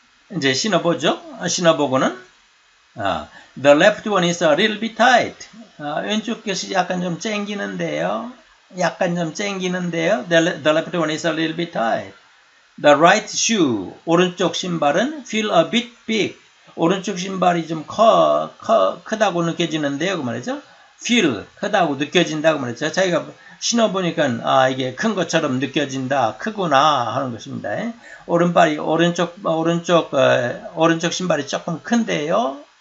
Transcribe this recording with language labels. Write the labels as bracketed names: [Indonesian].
[English] The left one is a little bit tight. [Korean] 왼쪽 것이 약간 좀 쨍기는데요. [English] The left one is a little bit tight. The right shoe, [Korean] 오른쪽 신발은 [English] feel a bit big. [Korean] 오른쪽 신발이 좀 크다고 느껴지는데요. 그 말이죠. Feel, 크다고 느껴진다고 말이죠. 자기가 신어보니까 이게 큰 것처럼 느껴진다, 크구나 하는 것입니다. 오른발이 오른쪽 신발이 조금 큰데요.